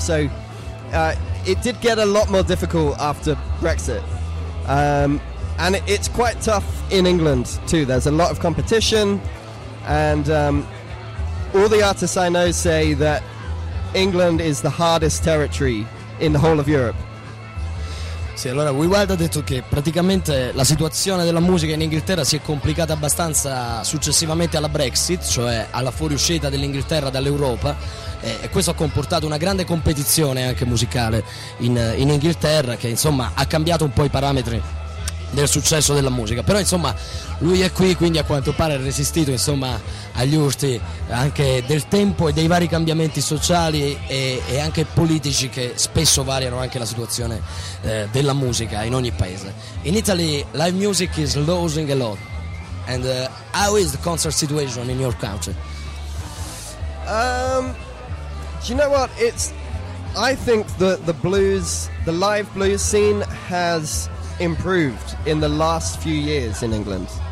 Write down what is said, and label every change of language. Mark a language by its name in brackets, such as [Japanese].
[English] So it did get a lot more difficult after Brexit. And it's quite tough in England too. There's a lot of competition, and all the artists I know say that England is the hardest territory in the whole of Europe. [Italian] Sì, allora Will Wild ha detto che praticamente la situazione della musica in Inghilterra si è complicata abbastanza successivamente alla Brexit, cioè alla fuoriuscita dell'Inghilterra dall'Europa, e questo ha comportato una grande competizione anche musicale in Inghilterra, che insomma ha cambiato un po' i parametri del successo della musica. Però insomma lui è qui, quindi a quanto pare ha resistito insomma agli urti anche del tempo e dei vari cambiamenti sociali e anche politici, che spesso variano anche la situazione della musica in ogni paese. [English] In Italy live music is losing a lot, and how is the concert situation in your country? You know what, it's, I think that the blues, the live blues scene has improved in the last few years in England.